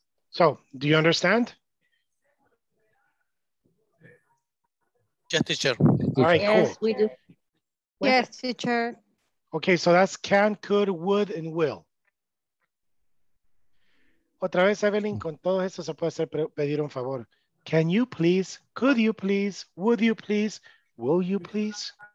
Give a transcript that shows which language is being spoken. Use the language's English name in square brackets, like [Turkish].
[English] So, do you understand? Yes, teacher. All right, yes, cool. We do. Yes, teacher. Okay, so that's can, could, would, and will. [Spanish] Otra vez, Evelyn, con todo eso se puede hacer pedir un favor. [English] Can you please, could you please, would you please, will you please?